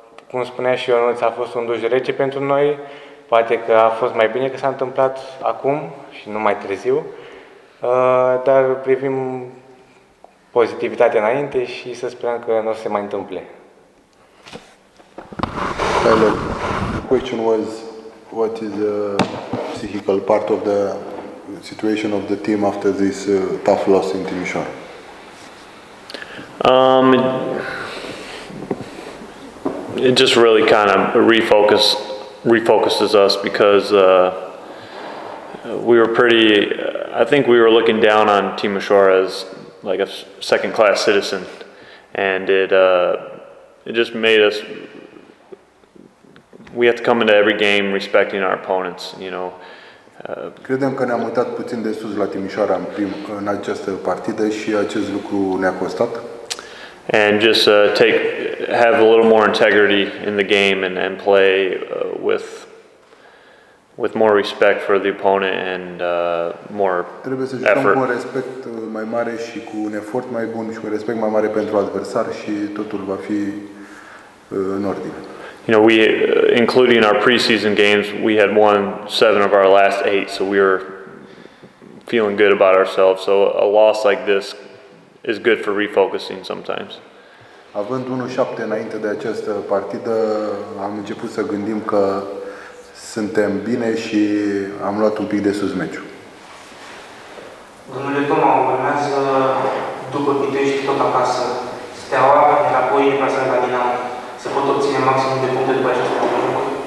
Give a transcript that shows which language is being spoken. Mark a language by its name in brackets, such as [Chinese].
[Romanian] Cum spunea și Ionuț, a fost un duș rece pentru noi. Poate că a fost mai bine că s-a întâmplat acum și nu mai târziu. Dar privim pozitivitatea înainte și să sperăm că nu se mai întâmple. [English] Tyler, question was, what is the psychical part of the situation of the team after this tough loss in Timișoara? It just really kind of refocuses us because we were pretty, I think we were looking down on Timișoara as like a second class citizen, and it just made us, we have to come into every game respecting our opponents, you know. [Romanian] Credem că ne-am uitat puțin de sus la Timișoara în această partidă și acest lucru ne-a costat. [English] And just have a little more integrity in the game and play with more respect for the opponent and more effort. [Romanian] Trebuie să jucăm cu un respect mai mare și cu un efort mai bun și cu un respect mai mare pentru adversar și totul va fi în ordine. [English] You know, we, including our preseason games, we had won 7 of our last 8, so we were feeling good about ourselves. So a loss like this is good for refocusing sometimes. [Romanian] Având 1-7 înainte de această partidă, am început să gândim că suntem bine și am luat un pic de sus meciul. Domnule Toma, urmează după Pitești tot acasă. Steaua, înapoi, în plasarea la Dinamo. Se pot obține maximum de puncte după această partidă?